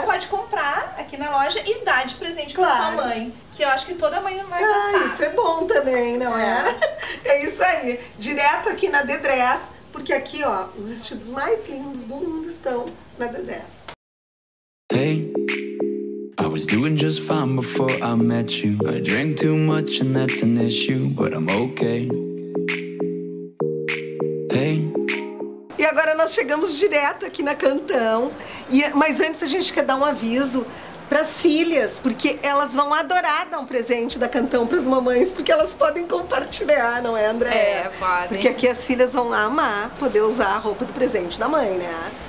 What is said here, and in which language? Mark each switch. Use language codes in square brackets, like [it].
[pt] Ou pode comprar aqui na loja e dar de presente claro. Pra sua mãe. Que eu acho que toda mãe vai gostar. Ah, isso é bom também, não é? É isso aí. Direto aqui na The Dress. Porque aqui, ó, os vestidos mais lindos do mundo estão na The Dress. [en] Hey. I was doing just fine before I met you. I drank too much and that's an issue. But I'm okay. [pt] Agora nós chegamos direto aqui na Cantão, mas antes a gente quer dar um aviso. pras filhas, porque elas vão adorar dar um presente da Cantão pras mamães, porque elas podem compartilhar, não é, André? É, podem. Porque aqui as filhas vão amar poder usar a roupa do presente da mãe, né?